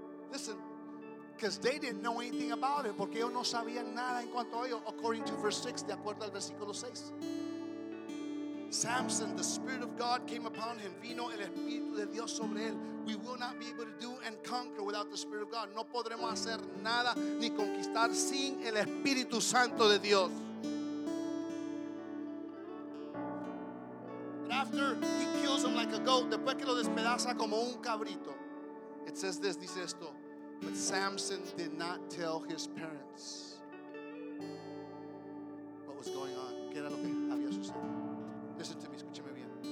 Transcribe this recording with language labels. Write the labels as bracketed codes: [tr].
[en] Listen, because they didn't know anything about it, [es] porque ellos no sabían nada en cuanto a ellos, [en] according to verse 6, [es] de acuerdo al versículo 6. [en] Samson, the Spirit of God came upon him. [es] Vino el Espíritu de Dios sobre él. [en] We will not be able to do and conquer without the Spirit of God. [es] No podremos hacer nada ni conquistar sin el Espíritu Santo de Dios. [en] But after he kills him like a goat, [es] después que lo despedaza como un cabrito, [en] it says this, [es] dice esto, [en] but Samson did not tell his parents what was going on. [es] ¿Qué era lo que había sucedido? [en] Listen to me, [es] escúcheme bien.